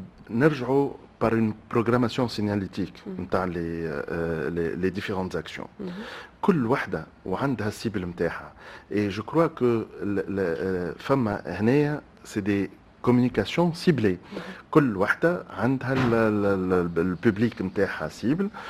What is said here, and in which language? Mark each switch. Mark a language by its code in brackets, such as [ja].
[ar] نرجعوا [fr] par une programmation signalétique entre les différentes actions. [ar] كل واحدة وعندها السيبل متاعها. [fr] Et je crois que femme هنا c'est des communications ciblées. [ar] كل واحدة عندها [fr] le public [ar] متاعها cible.